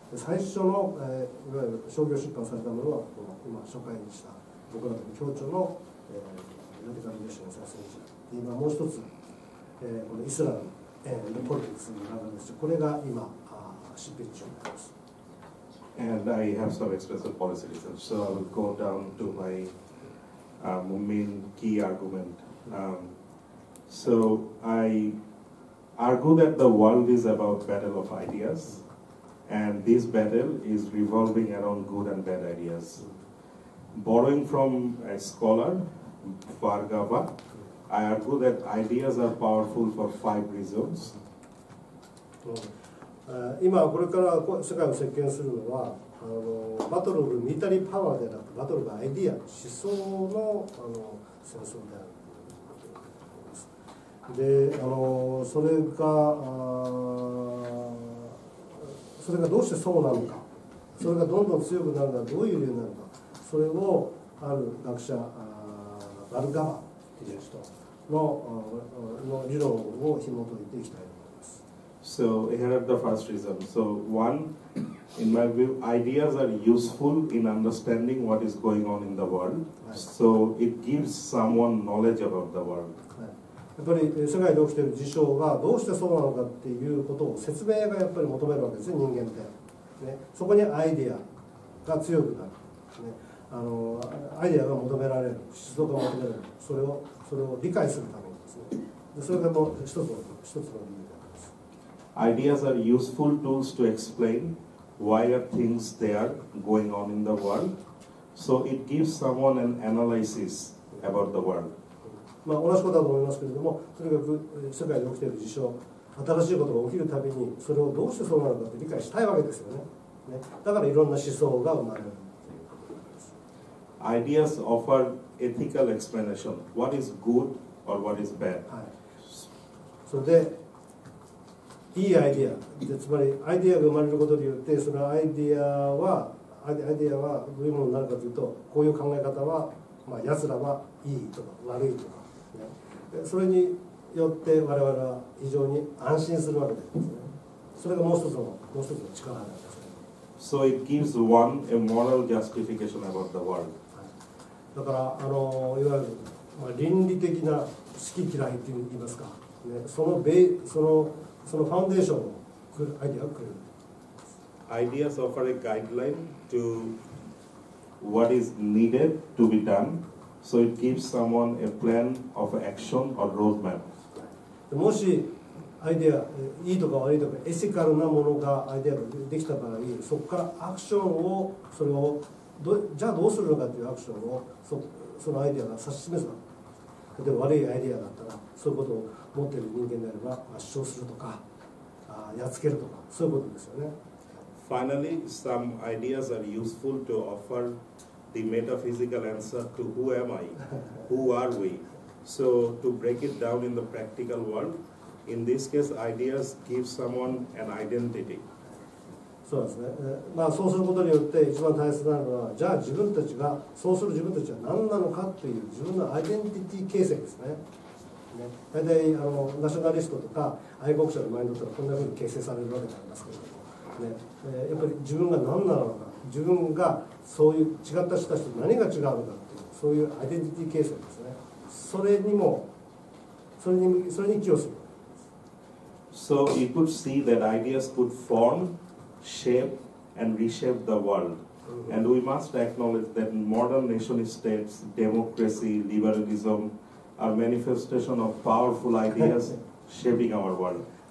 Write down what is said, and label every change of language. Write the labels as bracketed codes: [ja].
[ja] で、最初の、いわゆる商業出版されたものは、この今初回にした僕らとの共著の、ラディカルネーションの撮影者で、今もう一つ、このイスラム、のポリティクスの中です。これが今執筆中になります。 [en] And I have some expressive policy research, so I will go down to my、main key argumentSo I argue that the world is about battle of ideas, and this battle is revolving around good and bad ideas. Borrowing from a scholar, Bhargava, I argue that ideas are powerful for five reasons. [ja] 今これから世界を席巻するのは、バトルのミリタリーパワーではなく、バトルのアイデア、思想の、戦争である。で、それがどうしてそうなのか、それがどんどん強くなるのはどういう理由なのか、それをある学者、バルガバという人 の理論を紐解いていきたいと思います。 [en] So here are the first reason. So one, in my view, ideas are useful in understanding what is going on in the world. So it gives someone knowledge about the world. [ja] やっぱり世界で起きている事象がどうしてそうなのかっていうことを説明がやっぱり求めるわけですね、人間って、ね、そこにアイデアが強くなる、ね、アイデアが求められる、思想が求められる、それを理解するためにですね。でそれがもう一つの理由であります。 [en] ideas are useful tools to explain why are things there going on in the world. So it gives someone an analysis about the world. [ja] まあ、同じことだと思いますけれども、とにかく世界で起きている事象、新しいことが起きるたびに、それをどうしてそうなのかって理解したいわけですよね。ね、だからいろんな思想が生まれる。 [en] Ideas offer ethical explanation. What is good or what is bad? [ja] はい。それで、いいアイデア。で、つまり、アイデアが生まれることによって、そのアイデアは、アイデアはどういうものになるかというと、こういう考え方は、まあ、奴らはいいとか悪いとか、ね。それによって我々は非常に安心するわけですね。それがもう一つの力なんですね。 [en] So it gives one a moral justification about the world. [ja] だからいわゆる、まあ、倫理的な好き嫌いといいますか、ね、そのファウンデーションをくるアイデアをくれる。 [en] Ideas offer a guideline to what is needed to be done, so it gives someone a plan of action or roadmap. [ja] もしアイデア、いいとか悪いとか、エシカルなものがアイデアができた場合、そこからアクションを、それをじゃあどうするのかというアクションを そのアイデアが指し示すか。で、悪いアイデアだったら、そういうことを持っている人間であれば、まあ、主張するとか、やっつけるとか、そういうことですよね。 [en] Finally, some ideas are useful to offer the metaphysical answer to who am I? Who are we? So, to break it down in the practical world, in this case, ideas give someone an identity. [ja] そうですね。まあ、そうすることによって一番大切なのは、じゃあ自分たちが、そうする自分たちは何なのかという自分のアイデンティティ形成ですね。大体ナショナリストとか愛国者のマインドとかこんなふうに形成されるわけでありますけれども、ね、やっぱり自分が何なのか、自分がそういう違った人たちと何が違うのかという、そういうアイデンティティ形成ですね。それに寄与する。 [en] So you could see that ideas could formShape and reshape the world. Mm-hmm. And we must acknowledge that modern nation states, democracy, liberalism are manifestation of powerful ideas shaping our world.